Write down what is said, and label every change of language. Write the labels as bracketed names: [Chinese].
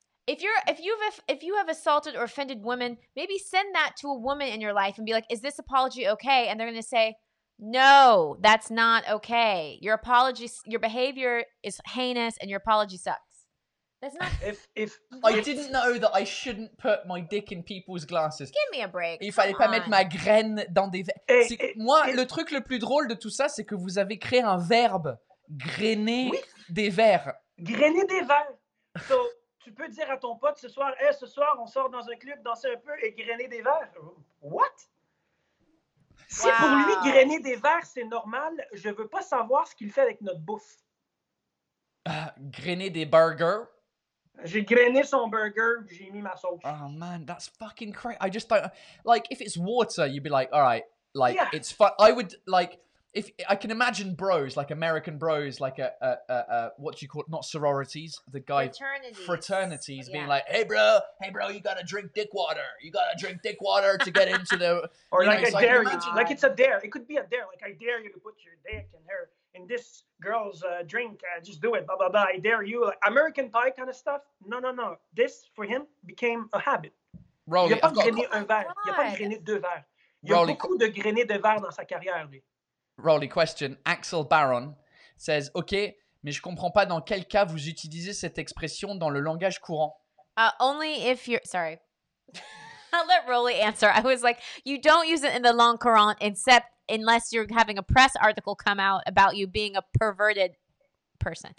[English] If you have assaulted or offended women, maybe send that to a woman in your life and be like, is this apology okay? And they're going to say, no, that's not okay. Your apology, your behavior is heinous and your apology sucks. That's not. If I didn't know that I shouldn't put my dick in people's glasses. Give me a break. [French] Il fallait pas mettre ma graine dans des. Le truc le plus drôle de tout ça, c'est que vous avez créé un verbe. Grainer des verres. Grainer des verres. So, tu peux dire à ton pote ce soir, hey, ce soir, on sort dans un club, danser un peu et grainer des verres. [English] What? [French] Si pour lui, grainer des verres, c'est normal, je veux pas savoir ce qu'il fait avec notre bouffe. Grainer des burgers. J'ai grainé son burger, j'ai mis ma sauce. [English] Oh man, that's fucking crazy. I just don't... Like, if it's water, you'd be like, alright, like, yeah. It's fun. I would, like... If I can imagine bros, like American bros, like a what do you call it? Not sororities, the guy fraternities yeah. Being like, hey bro, you gotta drink dick water. You gotta drink dick water to get into the or like know, a dare, like it's a dare. It could be a dare. Like I dare you to put your dick in her in this girl's drink. Just do it. Blah blah blah. I dare you. Like, American Pie kind of stuff. No. This for him became a habit. Rolly, [French] il a pas grainé un verre. Il a pas grainé deux verres. Il y a beaucoup de grainé de verre dans sa carrière lui. [English] Rolly question. Axel Baron says, [French] OK, mais je comprends pas dans quel cas vous utilisez cette expression dans le langage courant. [English] Only if you're... Sorry. I'll let Rolly answer. I was like, you don't use it in the long courant except unless you're having a press article come out about you being a perverted person.